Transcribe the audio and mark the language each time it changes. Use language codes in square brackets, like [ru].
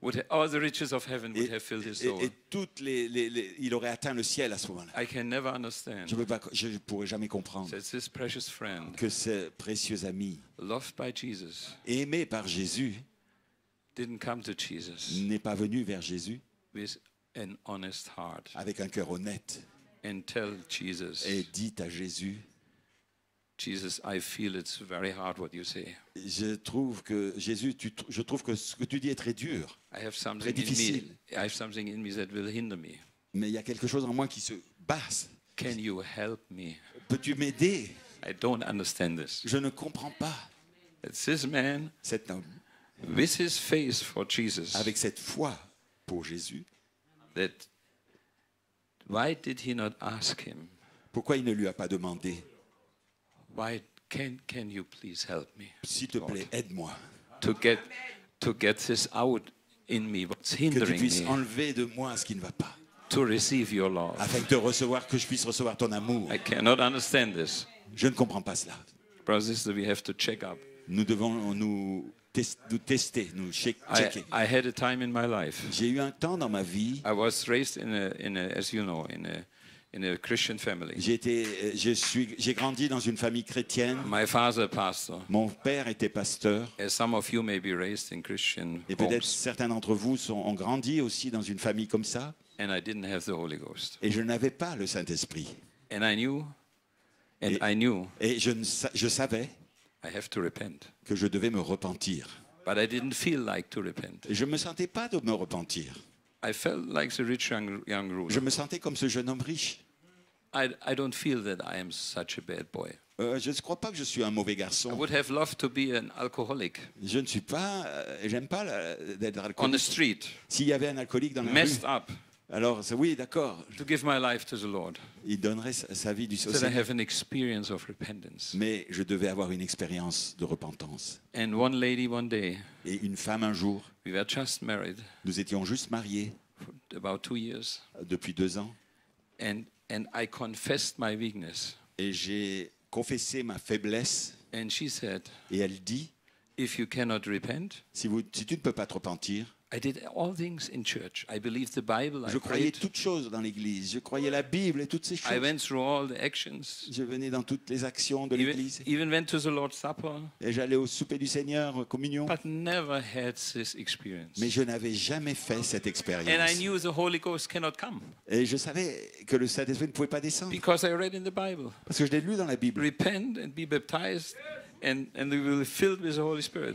[en] All the riches of heaven would have filled his soul. [fr] Et toutes les il aurait atteint le ciel à ce moment-là. [en] I can never understand. [fr] Je ne pourrais jamais comprendre. [en] That this precious friend, [fr] que ce précieux ami, [en] loved by Jesus, [fr] aimé par Jésus, [en] didn't come to Jesus, [fr] n'est pas venu vers Jésus, [en] with an honest heart, [fr] avec un cœur honnête, [en] and tell Jesus, [fr] et dit à Jésus, [en] Jesus, I feel it's very hard what you say. [fr] Je trouve que ce que tu dis est très dur. [en] I have something in me. I have something in me that will hinder me. [fr] Mais il y a quelque chose en moi qui se basse. [en] Can you help me? [fr] Peux-tu m'aider? [en] I don't understand this. [fr] Je ne comprends pas. [en] It's this man. [fr] Cet homme. [en] With his faith for Jesus. [fr] Avec cette foi pour Jésus. [en] That. Why did he not ask him? [fr] Pourquoi il ne lui a pas demandé? [en] Why can you please help me? [fr] S'il te plaît, aide-moi. [en] To get this out in me, what's hindering me? [fr] Que tu puisses enlever de moi ce qui ne va pas. [en] To receive your love. [fr] Afin de recevoir que je puisse recevoir ton amour. [en] I cannot understand this. [fr] Je ne comprends pas cela. [en] Brothers, we have to check up. [fr] Nous devons nous tester, nous checker. [en] I had a time in my life. [fr] J'ai eu un temps dans ma vie. [en] I was raised in a as you know in a in a Christian family. [fr] J'ai grandi dans une famille chrétienne. [en] My father pastor. [fr] Mon père était pasteur. [en] And some of you may be raised in Christian homes. [fr] Et peut-être certains d'entre vous ont grandi aussi dans une famille comme ça. [en] And I didn't have the Holy Ghost. [fr] Et je n'avais pas le Saint-Esprit. [en] And I knew. [fr] Et je savais. [en] I have to repent. [fr] Que je devais me repentir. [en] But I didn't feel like to repent. [fr] Et je me sentais pas de me repentir. [en] I felt like the rich young ruler. [fr] Je me sentais comme ce jeune homme riche. [en] I don't feel that I am such a bad boy. [fr] Je ne crois pas que je suis un mauvais garçon. [en] I would have loved to be an alcoholic. [fr] Je ne suis pas, j'aime pas d'être alcoolique. [en] On the street. [fr] S'il y avait un alcoolique dans la [en] messed [fr] rue. [en] Up. [fr] Alors oui, d'accord. [en] To give my life to the Lord. [fr] Il donnerait sa vie au Seigneur. [en] So that I have an experience of repentance. [fr] Mais je devais avoir une expérience de repentance. [en] And one lady one day. [fr] Et une femme un jour. [en] We were just married. [fr] Nous étions juste mariés. [en] About 2 years. [fr] Depuis 2 ans. [en] And I confessed my weakness. [fr] Et j'ai confessé ma faiblesse. [en] And she said. [fr] Et elle dit. [en] If you cannot repent. [fr] Si tu ne peux pas te repentir. [en] I did all things in church. I believed the Bible. [fr] Je croyais toutes choses dans l'église. Je croyais la Bible et toutes ces choses. [en] I went through all the actions. [fr] Je venais dans toutes les actions de l'église. [en] Even went to the Lord's Supper. [fr] Et j'allais au souper du Seigneur, communion. [en] But never had this experience. [fr] Mais je n'avais jamais fait cette expérience. [en] And I knew the Holy Ghost cannot come. [fr] Et je savais que le Saint-Esprit ne pouvait pas descendre. [en] Because I read in the Bible. [fr] Parce que je l'ai lu dans la Bible. [en] Repent and be baptized. And we will be filled with the Holy Spirit.